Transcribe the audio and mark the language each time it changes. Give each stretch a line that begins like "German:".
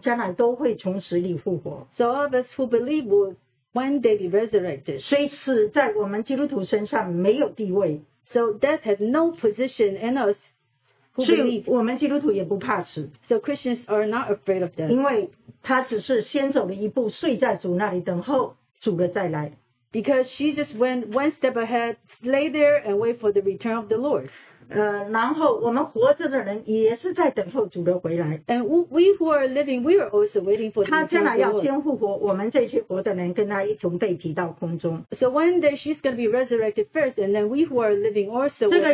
English: so all of us who believe will one day be resurrected. So death has no position in us.
Chinese: 所以我们基督徒也不怕死,
English: so Christians are not afraid of death.
Chinese: 因为他只是先走了一步, 睡在主那里等候,
English: because she just went one step ahead, lay there and wait for the return of the Lord.
Chinese: 然后我们活着的人也是在等候主的回来,
English: and we who are living, we are also waiting for the return of the Lord. So one day she's going to be resurrected first, and then we who are living also